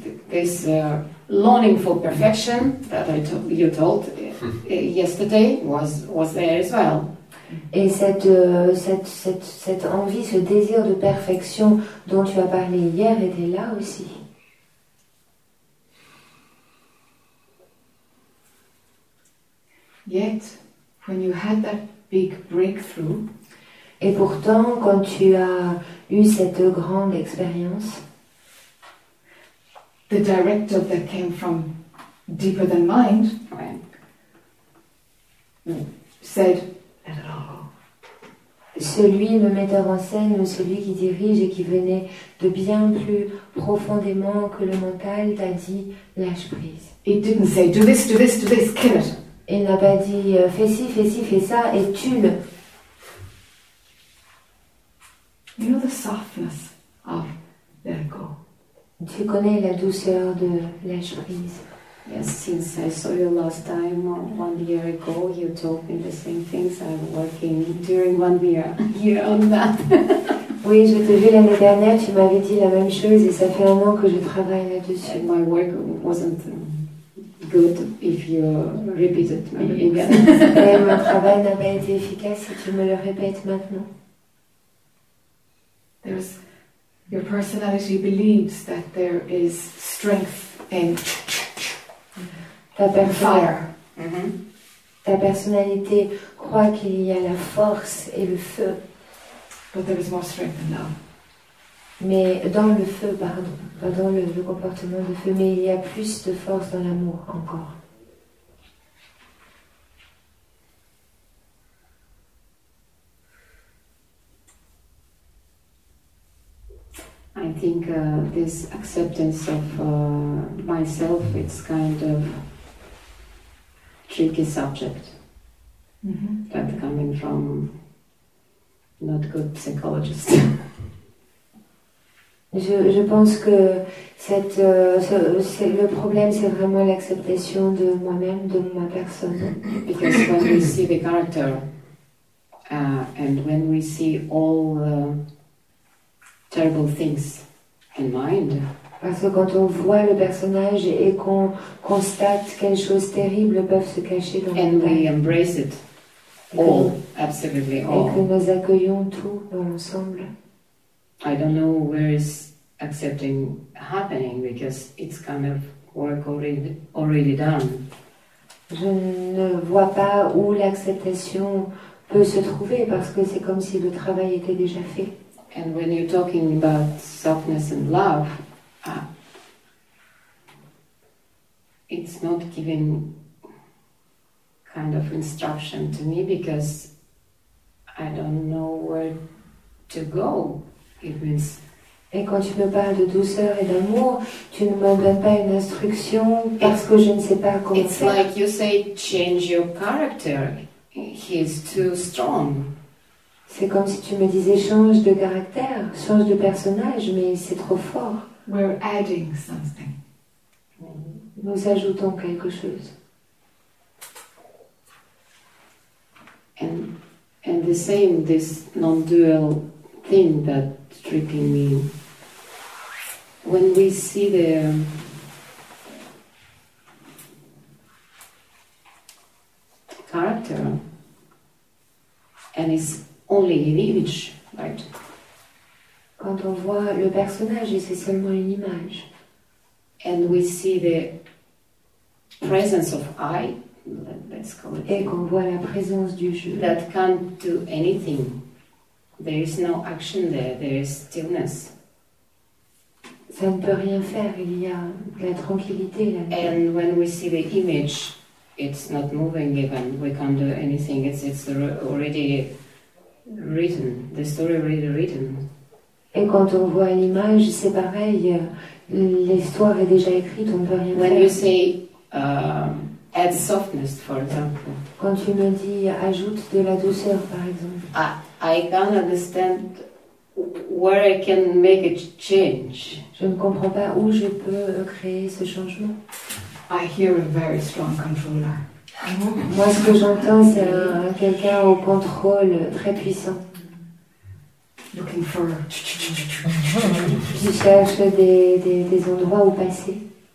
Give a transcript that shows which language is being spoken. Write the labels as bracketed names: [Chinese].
[English] This longing for perfection that you told yesterday was there as well. [French] Et cette envie, ce désir de perfection dont tu as parlé hier était là aussi. [English] Yet, when you had that big breakthrough, [French] et pourtant, quand tu as eu cette grande expérience, [English] the directive that came from deeper than mind, said, [French] celui, le metteur en scène, celui qui dirige et qui venait de bien plus profondément que le mental, t'a dit, lâche prise. [English] It didn't say, do this, do this, do this, kill it. [French] Il n'a pas dit, fais ci, fais ça, et tue-le. [English] You know the softness of let go. [French] Tu connais la douceur de lâche prise. [English] Yes, since I saw you last time, 1 year ago, you told me the same things. I'm working during 1 year on that. [French] Oui, je t'ai vu l'année dernière, tu m'avais dit la même chose, et ça fait un an que je travaille là-dessus. [English] And my work wasn't good if you repeated me again. [French] Et mon travail n'a pas été efficace si tu me le répètes maintenant. [English] Your personality believes that there is strength in fire. [French] Ta personnalité croit qu'il y a la force et le feu. [English] But there is more strength in love. [French] Mais dans le feu, pardon, pas dans le comportement de feu, mais il y a plus de force dans l'amour encore. [English] I think this acceptance of myself, it's kind of tricky subject that coming from not good psychologist. [French] Je pense que le problème, c'est vraiment l'acceptation de moi-même, de ma personne. [English] Because when we see the character and when we see all terrible things in mind. [French] Parce que quand on voit le personnage et qu'on constate quelles choses terribles peuvent se cacher dans le mental, [English] and we embrace it. all, absolutely all. [French] Et que nous accueillons tout ensemble. [English] I don't know where is accepting happening because it's kind of work already done. [French] Je ne vois pas où l'acceptation peut se trouver parce que c'est comme si le travail était déjà fait. [English] And when you're talking about softness and love, it's not giving kind of instruction to me because I don't know where to go. It means. [French] Et quand tu me parles de douceur et d'amour, tu ne me donnes pas une instruction parce que je ne sais pas comment [English] it's [French] faire. [English] It's like you say, change your character. He is too strong. [French] C'est comme si tu me disais, change de caractère, change de personnage, mais c'est trop fort. [English] We're adding something. [French] Nous ajoutons quelque chose. [English] And the same, this non-dual thing that tripping me. When we see the character, and it's only an image, right? [French] Quand on voit le personnage, et c'est seulement une image. [English] And we see the presence of I, let's call it. [French] Et qu'on voit la présence du je. [English] That can't do anything. There is no action there. There is stillness. [French] Ça ne peut rien faire. Il y a la tranquillité là. [English] And when we see the image, it's not moving even. We can't do anything. It's already written. The story already written. [French] Et quand on voit l'image, c'est pareil. L'histoire est déjà écrite. On ne peut rien [English] when [French] faire. [English] When you say add softness, for example. [French] Quand tu me dis ajoute de la douceur, par exemple. Ah. [English] I can't understand where I can make a change. [French] Je ne comprends pas où je peux créer ce changement. [English] I hear a very strong controller. [French] Moi, ce que j'entends, c'est quelqu'un au contrôle très puissant. [English] Looking for. [French] Qui cherche des endroits où passer.